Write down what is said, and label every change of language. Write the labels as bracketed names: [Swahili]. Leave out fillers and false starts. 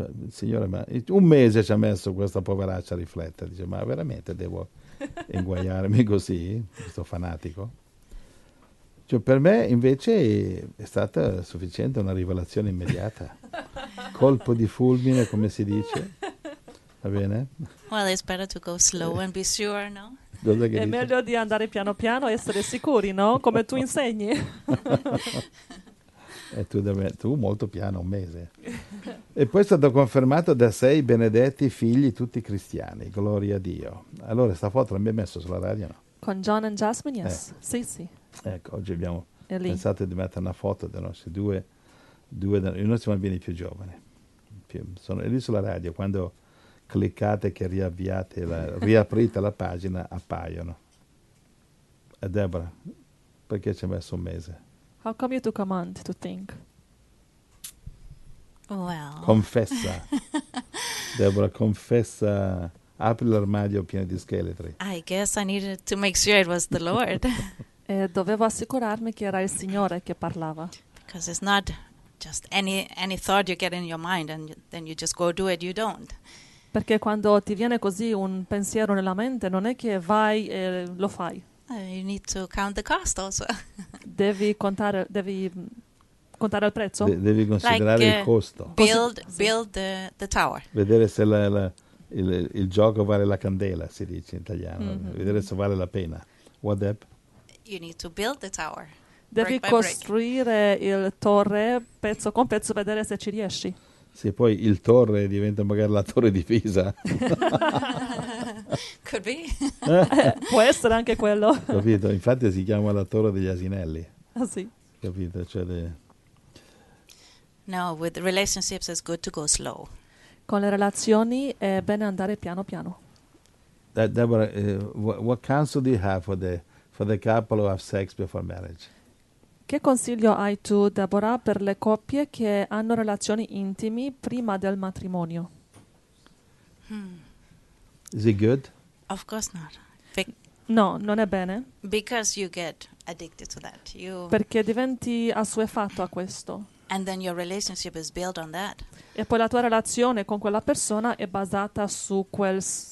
[Italian] Signore, ma un mese ci ha messo questa poveraccia a riflettere. Dice, ma veramente devo inguaiarmi così, questo fanatico? Cioè, per me invece è stata sufficiente una rivelazione immediata. Colpo di fulmine, come si dice. Va bene? [English] Well, it's better to go slow and be sure, no? [Italian] È meglio di andare piano piano e essere sicuri, no? Come tu insegni. E tu molto piano, un mese. E poi è stato confermato da 6 benedetti figli, tutti cristiani. Gloria a Dio. Allora, sta foto l'abbiamo messa sulla radio, no? Con John and Jasmine, yes. Sì, sì. Ecco, oggi abbiamo pensato di mettere una foto dei nostri due dei nostri bambini più giovani. Sono lì sulla radio, quando... cliccate che riaprite la pagina, appaiono. E Deborah, perché ci ha messo un mese? [English] How come you took a month to think? Well. [Italian] Confessa. Deborah, confessa. Apri l'armadio pieno di scheletri. [English] I guess I needed to make sure it was the Lord. [Italian] E dovevo assicurarmi che era il Signore che parlava. [English] because it's not just any thought you get in your mind and then you just go do it, you don't. [Italian] Perché quando ti viene così un pensiero nella mente, non è che vai e lo fai. [English] You need to count the cost also. [Italian] devi contare il prezzo. Devi considerare [English] like, [Italian] il costo. [English] Build the tower. [Italian] Vedere se il gioco vale la candela, si dice in italiano. Mm-hmm. Vedere se vale la pena. What, Deb? [English] You need to build the tower. [Italian] Devi [English] break [Italian] costruire [English] break. [Italian] Il torre pezzo con pezzo, vedere se ci riesci. Se poi il torre diventa magari la torre di Pisa. [English] Could be. [Italian] Può essere anche quello. Capito, infatti si chiama la torre degli asinelli. Ah sì. Capito, cioè... [English] No, with relationships it's good to go slow. [Italian] Con le relazioni è bene andare piano piano. [English] Deborah, what counsel do you have for the couple who have sex before marriage? [Italian] Che consiglio hai tu, Deborah, per le coppie che hanno relazioni intime prima del matrimonio? [English] Is it good? Of course not. [Italian] No, non è bene. [English] Because you get addicted to that. [Italian] Perché diventi assuefatto a questo. [English] And then your relationship is built on that. [Italian] E poi la tua relazione con quella persona è basata su quel